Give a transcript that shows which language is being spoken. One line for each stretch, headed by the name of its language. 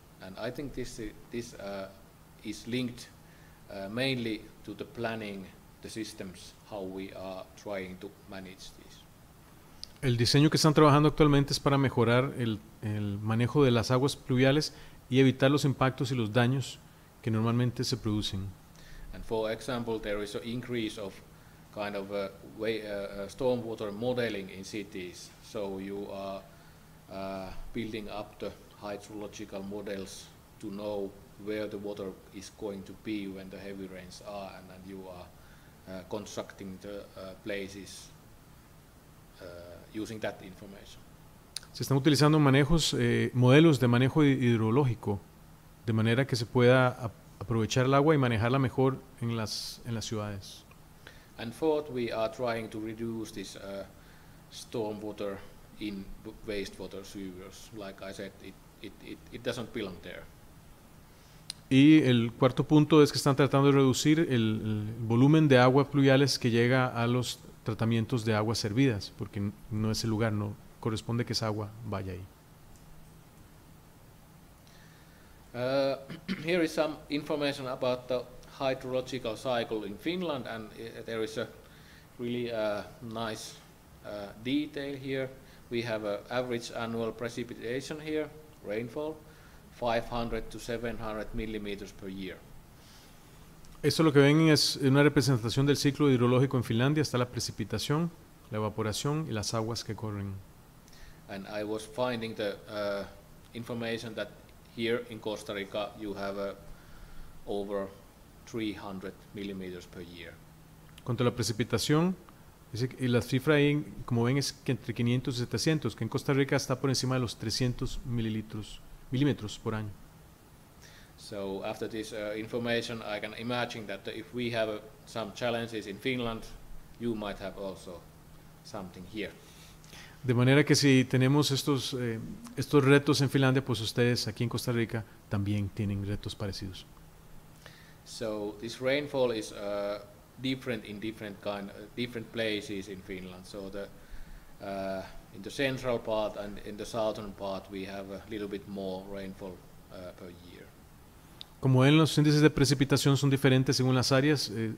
English: And I think this is linked mainly to the planning the systems, how we are trying to manage this.
Spanish: El diseño que están trabajando actualmente es para mejorar el manejo de las aguas pluviales y evitar los impactos y los daños que normalmente se producen.
English: And for example, there is an increase of kind of way stormwater modeling in cities. So you are building up the hydrological models to know where the water is going to be when the heavy rains are, and then you are constructing the places using that information.
Spanish: Se están utilizando manejos, modelos de manejo hidrológico, de manera que se pueda aprovechar el agua y manejarla mejor en las ciudades.
English: And fourth, we are trying to reduce this stormwater in wastewater sewers. Like I said, it doesn't belong there.
Spanish: Y el cuarto punto es que están tratando de reducir el volumen de aguas pluviales que llega a los tratamientos de aguas servidas, porque no es el lugar, no corresponde que esa agua vaya ahí.
English: Here is some information about the hydrological cycle in Finland, and there is a really nice detail here. We have an average annual precipitation here, rainfall, 500 to 700 millimeters per year.
Spanish: Esto lo que ven es una representación del ciclo hidrológico en Finlandia. Está la precipitación, la evaporación y las aguas que corren.
English: And I was finding the information that here in Costa Rica you have over 300 millimeters per year.
Spanish: Cuanto a la precipitación, dice que la cifra ahí, como ven, es que entre 500 y 700, que en Costa Rica está por encima de los 300 milímetros por año.
English: So after this information, I can imagine that if we have some challenges in Finland, you might have also something here.
Spanish: De manera que si tenemos estos retos en Finlandia, pues ustedes aquí en Costa Rica también tienen retos parecidos.
English: So this rainfall is different in different places in Finland. So the in the central part and in the southern part, we have a little bit more rainfall per year.
Spanish: Como ven, los índices de precipitación son diferentes según las áreas.